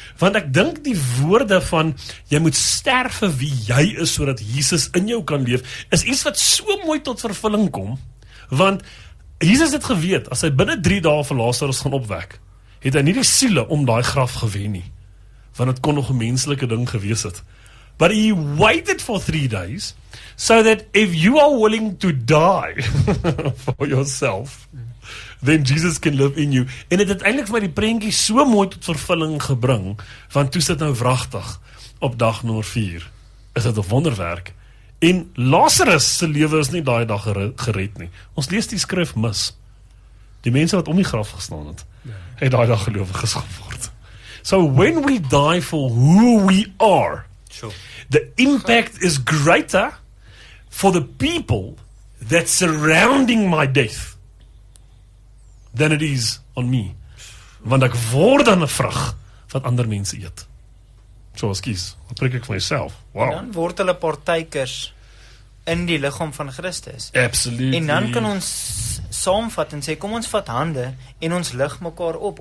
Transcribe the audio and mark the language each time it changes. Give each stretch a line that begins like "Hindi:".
Afrikaans: Want ek dink die woorde van, jy moet sterf vir wie jy is, sodat Jesus in jou kan leef, is iets wat so mooi tot vervulling kom. Want Jesus het geweet, as hy binne 3 dae vir Lazarus gaan opwek, het hy nie die siele om daai graf gewen nie. Want het kon nog 'n menslike ding gewees het.
English: But he waited for 3 days, so that if you are willing to die for yourself, then Jesus can live in you.
Afrikaans: En het uiteindelik vir die prentjie so mooi tot vervulling gebring, want toe sit nou wragtig, op dag nummer 4, is dit 'n wonderwerk. En Lazarus se lewe is nie daai dag gered nie. Ons lees die skrif mis. Die mense wat om die graf gestaan het, het daai dag gelowiges geword.
English: So when we die for who we are, the impact is greater for the people that surrounding my death than it is on me.
Afrikaans: Want ek word dan 'n vrug wat ander mense eet. So excuse, wat preek ek vir myself? Wow. En dan word hulle partykers in die liggaam van Christus.
English: Absolutely.
Afrikaans: En dan kan ons saamvat en sê, kom ons vat hande en ons lig mekaar op.